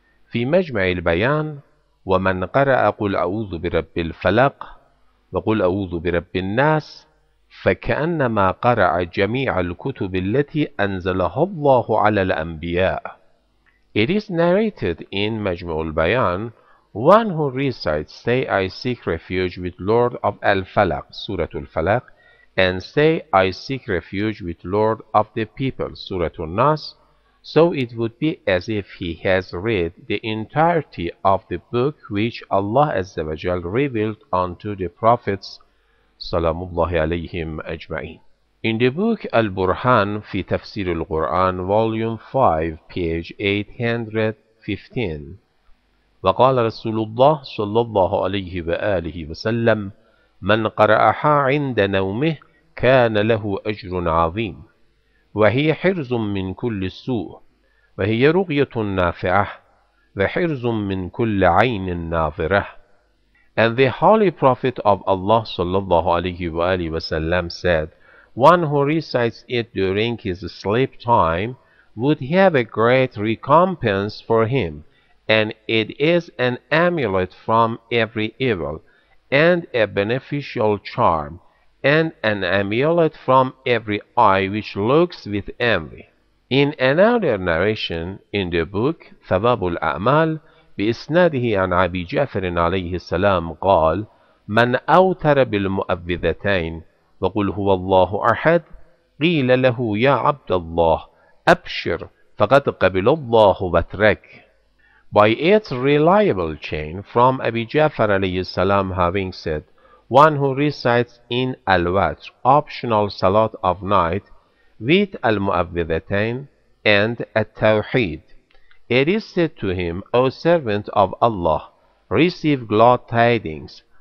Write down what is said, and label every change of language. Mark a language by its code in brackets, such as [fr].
[ar] في مجمع البيان ومن قرأ قل أعوذ برب الفلق وقل أعوذ برب الناس فكأنما قرأ جميع الكتب التي أنزلها الله على الأنبياء. [en] It is narrated in Majmu' al-Bayan, one who recites, say I seek refuge with Lord of Al-Falaq, Surah Al-Falaq, and say I seek refuge with Lord of the people, Surah Al-Nas, so it would be as if he has read the entirety of the book which Allah Azza wa Jal revealed unto the prophets, Salamullahi alayhim ajma'in. In the book Al-Burhan fi Tafsir al-Qur'an, volume 5, page 815, [ar] وقال رسول الله صلى الله عليه وآله وسلم من قرأها عند نومه كان له أجر عظيم وهي حرز من كل سوء وهي رغية نافعة وحرز من كل عين ناظرة. [en] And the Holy Prophet of Allah [ar] صلى الله عليه وآله وسلم [en] said, one who recites it during his sleep time would have a great recompense for him, and it is an amulet from every evil, and a beneficial charm, and an amulet from every eye which looks with envy. In another narration in the book Thawab al-A'mal, [ar] بإسناده عن أبي جعفر عليه السلام قال من أوتر بالمؤبذتين وقل هو الله أحد قيل له يا عبد الله أبشر فقد قبل الله وترك. [en] By its reliable chain from Abi Ja'far a.s. having said, one who recites in Al-Watr optional Salat of night with Al-Mu'awwidhatayn and At-Tawheed, it is said to him, O servant of Allah, receive glad tidings.